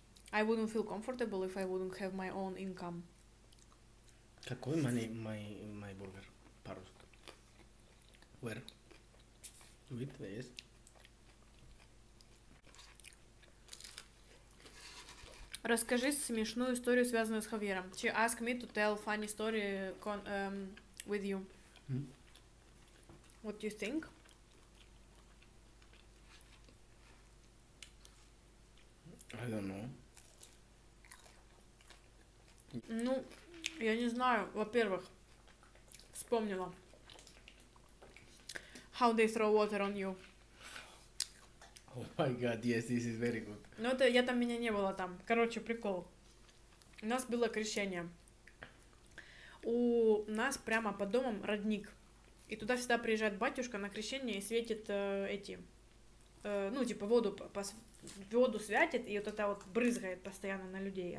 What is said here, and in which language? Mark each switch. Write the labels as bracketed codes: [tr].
[en] I wouldn't feel comfortable if I wouldn't have my own income. Какой my burger? По-русски. Where? With, yes. [ru] Расскажи смешную историю, связанную с Хавьером. [en] She asked me to tell funny story with you. What do you think? I don't know. [ru] Ну, я не знаю. Во-первых, вспомнила. [en] How they throw water on you. Oh my god, yes, this is very good. [ru] Ну, это я там, меня не было там. Короче, прикол. У нас было крещение. У нас прямо под домом родник. И туда всегда приезжает батюшка на крещение и светит воду светит, и вот это вот брызгает постоянно на людей.